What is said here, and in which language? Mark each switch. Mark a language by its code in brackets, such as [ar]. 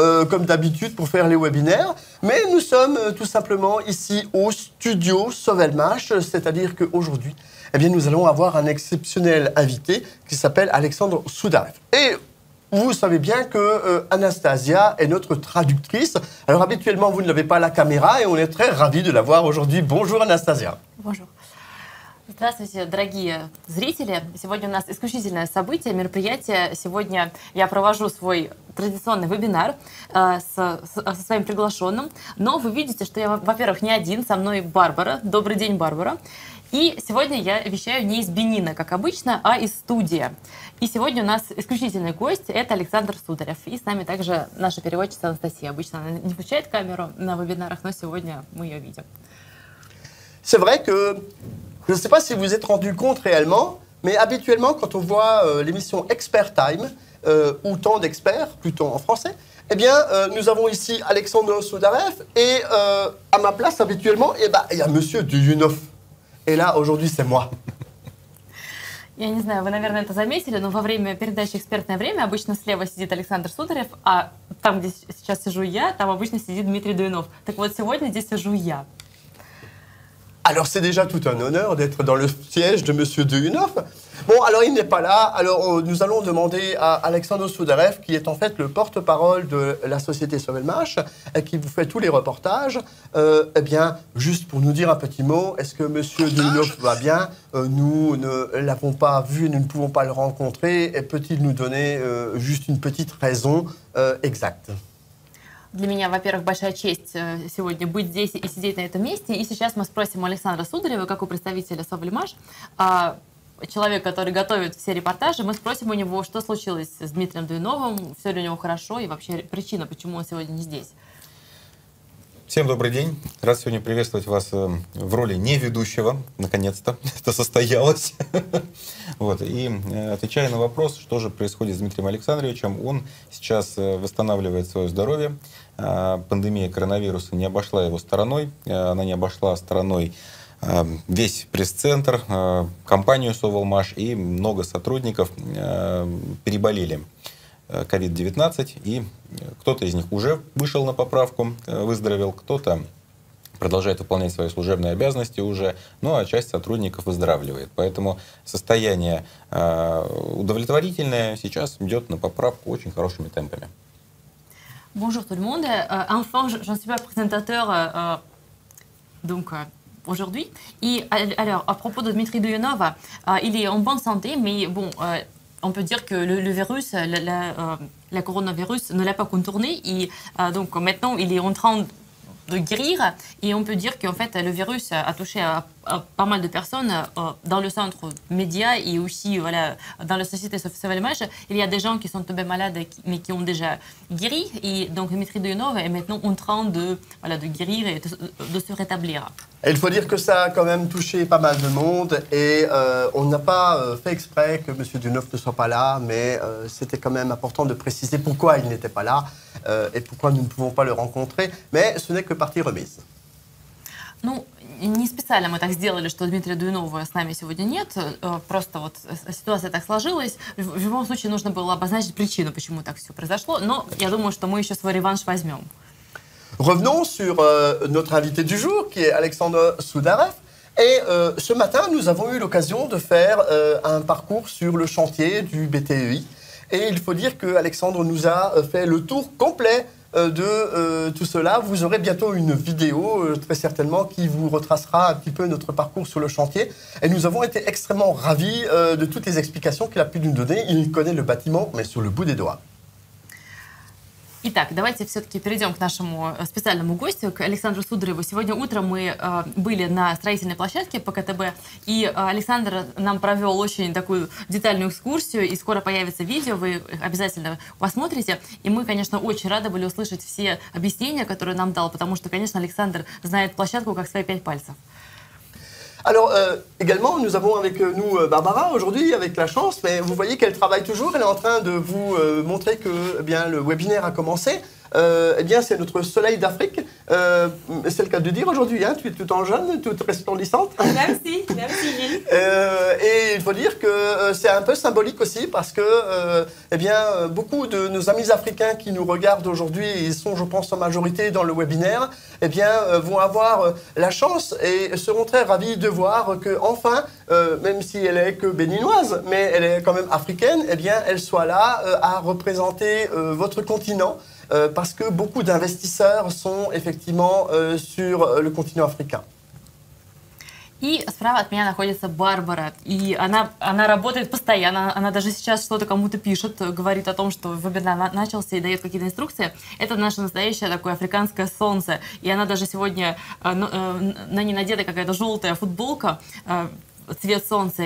[fr] Comme d'habitude pour faire les webinaires, mais nous sommes tout simplement ici au studio Sauvelmash, c'est-à-dire qu'aujourd'hui, eh bien, nous allons avoir un exceptionnel invité qui s'appelle Alexandre Soudarev. Et vous savez bien que Anastasia est notre traductrice. Alors habituellement, vous ne l'avez pas à la caméra et on est très ravis de la voir aujourd'hui. Bonjour Anastasia. Bonjour. [ru] Здравствуйте, дорогие зрители. Сегодня у нас исключительное событие, мероприятие. Сегодня я провожу свой традиционный вебинар со своим приглашенным. Но вы видите, что я, во-первых, не один, со мной Барбара. Добрый день, Барбара. И сегодня я вещаю не из Бенина, как обычно, а из студии. И сегодня у нас исключительный гость – это Александр Сударев. И с нами также наша переводчица Анастасия. Обычно она не включает камеру на вебинарах, но сегодня мы ее видим. [fr] C'est vrai que... Je ne sais pas si vous êtes rendu compte réellement, mais habituellement, quand on voit l'émission Expert Time, ou Temps d'experts, plutôt en français, eh bien, nous avons ici Alexandre Soudarev, et à ma place, habituellement, eh ben, il y a Monsieur Duyunov. Et là, aujourd'hui, c'est moi. [ru] Я не знаю, вы, наверное, это заметили, но во время передачи «Экспертное время» обычно слева сидит Александр Сударев, а там, где сейчас сижу я, там обычно сидит Дмитрий Дуйнов. Так вот, сегодня здесь сижу я. [fr] Alors, c'est déjà tout un honneur d'être dans le siège de Monsieur Duyunov. Bon, alors, il n'est pas là. Alors, nous allons demander à Alexandre Soudarev, qui est en fait le porte-parole de la société Sauvelmash, et qui vous fait tous les reportages. Eh bien, juste pour nous dire un petit mot, est-ce que Monsieur Duyunov va bien? Nous ne l'avons pas vu, nous ne pouvons pas le rencontrer. Et peut-il nous donner juste une petite raison exacte? [ru] Для меня, во-первых, большая честь сегодня быть здесь и сидеть на этом месте. И сейчас мы спросим Александра Сударева, как у представителя Sauvelmash, человек, который готовит все репортажи, мы спросим у него, что случилось с Дмитрием Дуйновым, все ли у него хорошо и вообще причина, почему он сегодня не здесь. Всем добрый день. Рад сегодня приветствовать вас в роли неведущего. Наконец-то это состоялось. Вот. И отвечая на вопрос, что же происходит с Дмитрием Александровичем, он сейчас восстанавливает свое здоровье. Пандемия коронавируса не обошла его стороной. Она не обошла стороной весь пресс-центр, компанию Sauvelmash и много сотрудников переболели COVID-19, и кто-то из них уже вышел на поправку, выздоровел, кто-то продолжает выполнять свои служебные обязанности уже, ну а часть сотрудников выздоравливает. Поэтому состояние удовлетворительное сейчас идет на поправку очень хорошими темпами. [fr] Bonjour tout le monde. Enfin, je ne suis pas présentateur, donc aujourd'hui. [ru] И, [fr] alors, à propos de Dmitri Duyunov, il est en bonne santé, mais bon... On peut dire que le virus, le coronavirus ne l'a pas contourné. Et donc maintenant, il est en train de guérir. Et on peut dire qu'en fait, le virus a touché à pas mal de personnes dans le centre média et aussi voilà, dans la société Sauvelmash. Il y a des gens qui sont tombés malades, mais qui ont déjà guéri. Et donc, Dmitri Duyunov est maintenant en train de, voilà, de guérir et de se rétablir. Il faut dire que ça a quand même touché pas mal de monde et on n'a pas fait exprès que M. Duyunov ne soit pas là, mais c'était quand même important de préciser pourquoi il n'était pas là et pourquoi nous ne pouvons pas le rencontrer. Mais ce n'est que partie remise. [ru] Ну, не специально мы так сделали, что Дмитрия Дуйнова с нами сегодня нет. Просто вот ситуация так сложилась. В любом случае нужно было обозначить причину, почему так все произошло. Но я думаю, что мы еще свой реванш возьмем. [fr] Revenons sur notre invité du jour, qui est Alexandre Soudarev. Et ce matin, nous avons eu l'occasion de faire un parcours sur le chantier du BTEI. Et il faut dire qu'Alexandre nous a fait le tour complet de tout cela. Vous aurez bientôt une vidéo, très certainement, qui vous retracera un petit peu notre parcours sur le chantier. Et nous avons été extrêmement ravis de toutes les explications qu'il a pu nous donner. Il connaît le bâtiment, mais sur le bout des doigts. [ru] Итак, давайте все-таки перейдем к нашему специальному гостю, к Александру Судареву. Сегодня утром мы были на строительной площадке по КТБ, и Александр нам провел очень такую детальную экскурсию, и скоро появится видео, вы обязательно посмотрите. И мы, конечно, очень рады были услышать все объяснения, которые нам дал, потому что, конечно, Александр знает площадку как свои пять пальцев. [fr] Alors, également, nous avons avec nous Barbara aujourd'hui, avec la chance, mais vous voyez qu'elle travaille toujours, elle est en train de vous montrer que eh bien, le webinaire a commencé. Eh bien, c'est notre soleil d'Afrique, c'est le cas de dire aujourd'hui, hein, tu es tout en jeune, toute resplendissante. Merci. Et il faut dire que c'est un peu symbolique aussi, parce que eh bien, beaucoup de nos amis africains qui nous regardent aujourd'hui, ils sont, je pense, en majorité dans le webinaire, eh bien, vont avoir la chance et seront très ravis de voir qu'enfin, même si elle est que béninoise, mais elle est quand même africaine, eh bien, elle soit là à représenter votre continent. Parce que beaucoup d'investisseurs sont effectivement sur le continent africain. [ru] И справа от меня находится Барбара, и она работает постоянно, она даже сейчас что-то кому-то пишет, говорит о том, что вебинар начался и дает какие-то инструкции. Это наше настоящее такое африканское солнце, и она даже сегодня на ней надета какая-то желтая футболка, цвет солнца.